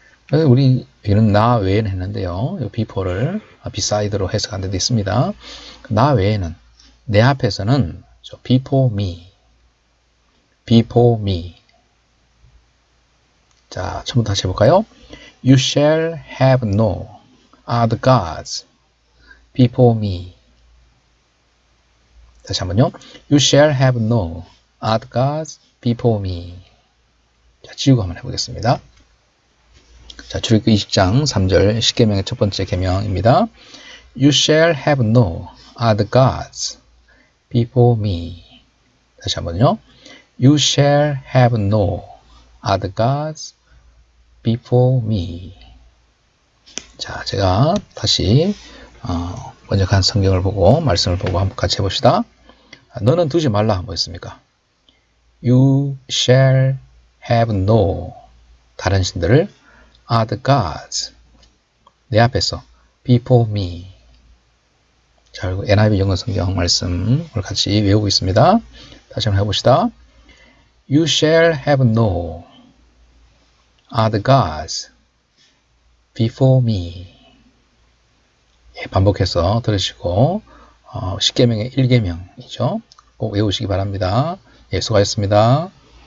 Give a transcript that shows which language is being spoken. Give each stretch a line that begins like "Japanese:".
Korean: 우리 여기는 나 외에는 했는데요. before를 beside로 해석한 데도 있습니다. 나 외에는, 내 앞에서는
English: before me. before me.
Korean: 자, 처음부터 다시 해볼까요?
English: You shall have no other gods before me.
Korean: 다시 한번요.
English: You shall have no other gods before me.
Korean: 자, 지우고 한번 해보겠습니다. 자, 출애굽기 20장 3절 십계명의 첫 번째 계명입니다.
English: You shall have no other gods before me.
Korean: 다시 한번요.
English: You shall have no other gods before me.
Korean: 자, 제가 다시 번역한 성경을 보고 말씀을 보고 한번 같이 해봅시다. 너는 두지 말라 뭐 했습니까?
English: You shall have no
Korean: 다른 신들을
English: other gods.
Korean: 내 앞에서.
English: before me.
Korean: 자, 그리고 NIV 영어성경 말씀을 같이 외우고 있습니다. 다시 한번 해봅시다.
English: You shall have no other gods before me.
Korean: 예, 반복해서 들으시고, 십계명의 1계명이죠. 꼭 외우시기 바랍니다. 예, 수고하셨습니다.